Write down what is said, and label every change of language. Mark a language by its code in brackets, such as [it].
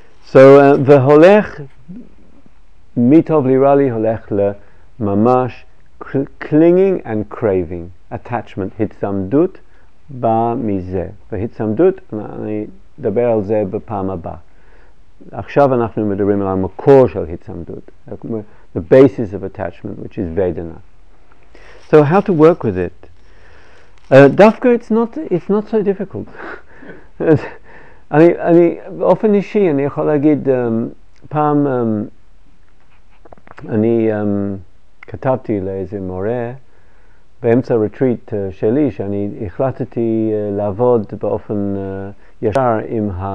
[en] So, [he] והולך, מי טוב לי, רע לי, הולך לממש [en] clinging and craving, attachment, [he] התצמדות בא מזה. והתצמדות, אני אדבר על זה בפעם הבאה. עכשיו אנחנו מדברים על המקור של התצמדות, [en] the basis of attachment, which is Vedana. So how to work with it? Dafka, it's not so difficult. [he] אני באופן אישי, אני יכול להגיד, פעם אני כתבתי לאיזה מורה באמצע רטריט שלי, שאני החלטתי לעבוד באופן ישר עם